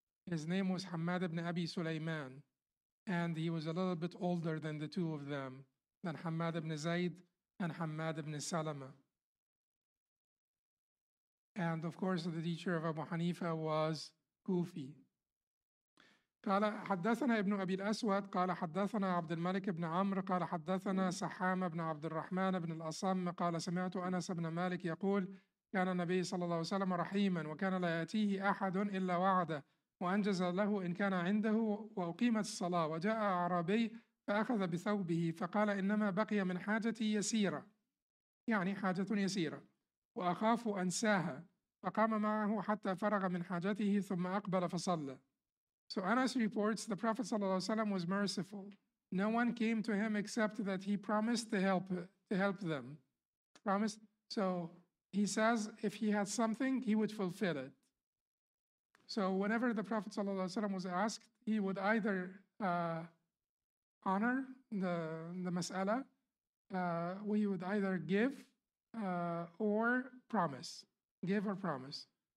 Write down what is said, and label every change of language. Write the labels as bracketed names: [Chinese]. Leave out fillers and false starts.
[English] His name was Hamad ibn Abi Sulaiman, and he was a little bit older than the two of them, than Hamad ibn Zayd and Hamad ibn Salama. And of course, the teacher of Abu Hanifa was Kufi. [Arabic] قال حدثنا ابن أبي الأسود قال حدثنا عبد الملك بن عمرو قال حدثنا سحام بن عبد الرحمن بن الأصم قال سمعت أنس بن مالك يقول كان النبي صلى الله عليه وسلم رحيما وكان لا يأتيه أحد إلا وعده وأنجز له إن كان عنده وأقيمت الصلاة وجاء أعرابي فأخذ بثوبه فقال إنما بقي من حاجتي يسيرة يعني حاجة يسيرة وأخاف أنساها فقام معه حتى فرغ من حاجته ثم أقبل فصلى. [English] So Anas reports, the Prophet sallallahu alaihi wasallam was merciful. No one came to him except that he promised to help them. Promised. So he says, if he had something, he would fulfill it. So whenever the Prophet sallallahu alaihi wasallam was asked, he would either honor the mas'ala, we would either give or promise. Give or promise.